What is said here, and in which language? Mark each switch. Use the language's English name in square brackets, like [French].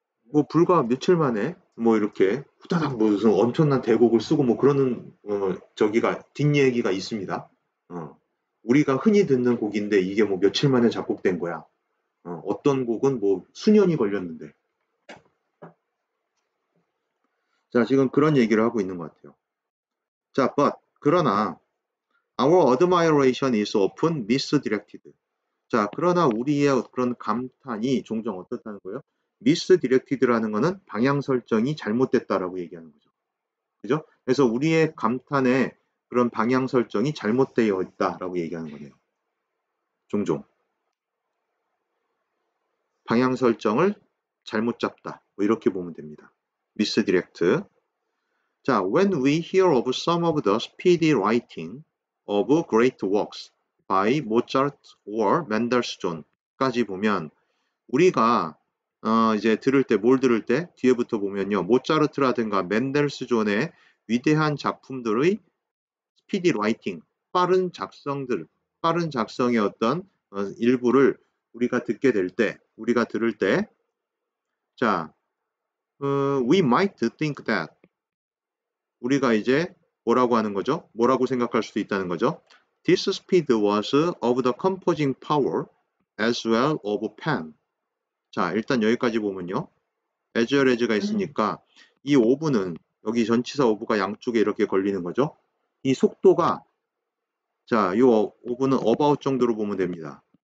[Korean] 뭐 불과 며칠 만에 뭐 이렇게 후다닥 무슨 엄청난 대곡을 쓰고 뭐 그러는 저기가 뒷얘기가 있습니다. 우리가 흔히 듣는 곡인데 이게 뭐 며칠 만에 작곡된 거야. 어떤 곡은 뭐 수년이 걸렸는데. 자, 지금 그런 얘기를 하고 있는 것 같아요. [English] 자, but, [Korean] 그러나, [English] our admiration is often misdirected. [Korean] 자, 그러나 우리의 그런 감탄이 종종 어떻다는 거예요? misdirected라는 거는 방향 설정이 잘못됐다라고 얘기하는 거죠. 그죠? 그래서 우리의 감탄의 그런 방향 설정이 잘못되어 있다라고 얘기하는 거네요. 종종. 방향 설정을 잘못 잡다. 뭐 이렇게 보면 됩니다. misdirect. [English] 자, when we hear of some of the speedy writing of great works by Mozart or Mendelssohn [Korean] 까지 보면 우리가 이제 들을 때뭘 들을 때 뒤에부터 보면요. 모차르트라든가 멘델스존의 위대한 작품들의 스피디 라이팅, 빠른 작성들, 빠른 작성의 어떤 일부를 우리가 듣게 될 때, 우리가 들을 때 자, [English] we might think that [Korean] 우리가 이제 뭐라고 하는 거죠? 뭐라고 생각할 수도 있다는 거죠? [English] This speed was of the composing power as well of pen. [Korean] 자, 일단 여기까지 보면요. as well as가 있으니까 이 of는 여기 전치사 of가 양쪽에 이렇게 걸리는 거죠. 이 속도가 자, 이 of는 about 정도로 보면 됩니다.